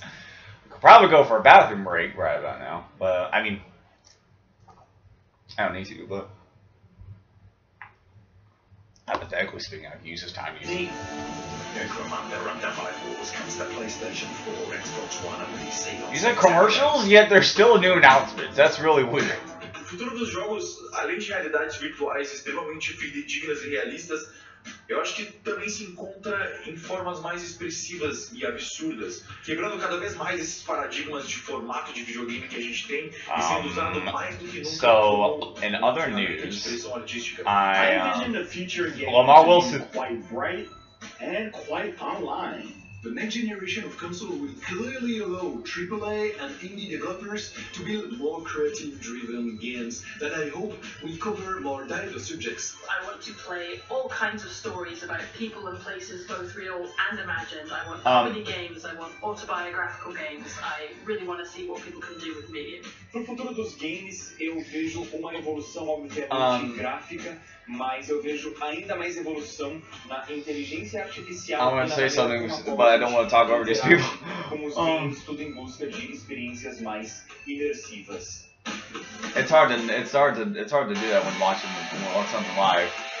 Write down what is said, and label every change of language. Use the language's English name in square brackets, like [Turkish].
[English] I could probably go for a bathroom break right about now. But, I mean, I don't need to, but... Hypothetically speaking, I've used this time. The Necromunda Underhive Wars comes to PlayStation 4, Xbox One, and PC. These are commercials, yet there's still new announcements. That's really weird. [Portuguese] O futuro dos jogos, além de realidades virtuais extremamente fidedignas e realistas, eu acho que também se encontra em formas mais expressivas e absurdas, quebrando cada vez mais esses paradigmas de formato de videogame que a gente tem e sendo usado mais do que nunca. [English] So, in other news, I envision a future game to be quite bright and quite online. The next generation of console will clearly allow AAA and indie developers to build more creative-driven games that I hope will cover more diverse subjects. I want to play all kinds of stories about people and places, both real and imagined. I want comedy games, I want autobiographical games. I really want to see what people can do with media. [Portuguese] Pro futuro dos games, eu vejo uma evolução obviamente gráfica. [English] I'm going to say something, but I don't want to talk over these people. It's hard to do that when watching something live.